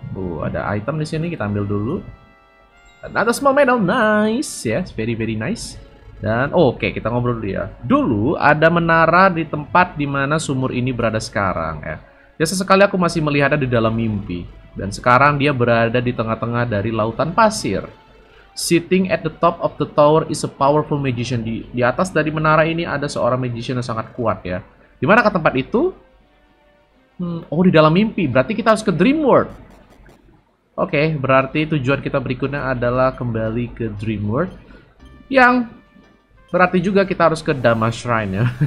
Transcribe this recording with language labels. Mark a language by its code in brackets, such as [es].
[id] Ada item di sini, kita ambil dulu. [en] Another small medal, nice ya, yes, very very nice. [id] Dan oke, kita ngobrol dulu ya. Dulu ada menara di tempat di mana sumur ini berada sekarang ya. Ya sesekali aku masih melihatnya di dalam mimpi. Dan sekarang dia berada di tengah-tengah dari lautan pasir. [en] Sitting at the top of the tower is a powerful magician. [id] Di atas dari menara ini ada seorang magician yang sangat kuat ya. Di mana ke tempat itu? Di dalam mimpi. Berarti kita harus ke Dream World. Oke, berarti tujuan kita berikutnya adalah kembali ke Dream World. Yang berarti juga kita harus ke Dharma Shrine ya.